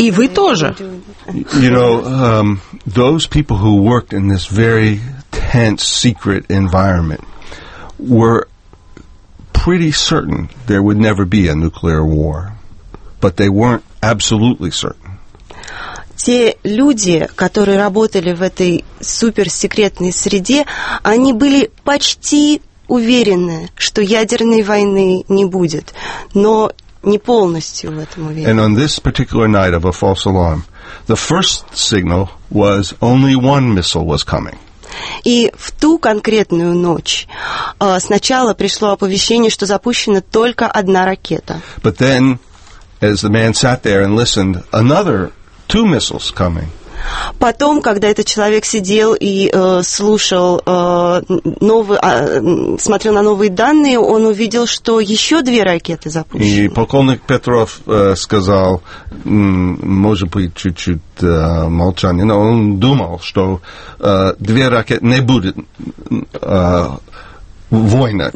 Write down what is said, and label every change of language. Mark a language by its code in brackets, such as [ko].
[ru] И вы тоже. [en] You know, those people who worked in this very tense, secret environment were pretty certain there would never be a nuclear war, but they weren't absolutely certain. [ru] Те люди, которые работали в этой суперсекретной среде, они были почти уверены, что ядерной войны не будет, но не полностью в этом уверены. [en] And on this particular night of a false alarm, the first signal was only one missile was coming. [ru] И в ту конкретную ночь сначала пришло оповещение, что запущена только одна ракета. [en] But then, as the man sat there and listened, another two missiles coming. [ru] Потом, когда этот человек сидел и слушал смотрел на новые данные, он увидел, что еще две ракеты запущены. И полковник Петров сказал, может быть, чуть-чуть молчание, но он думал, что две ракеты не будет война.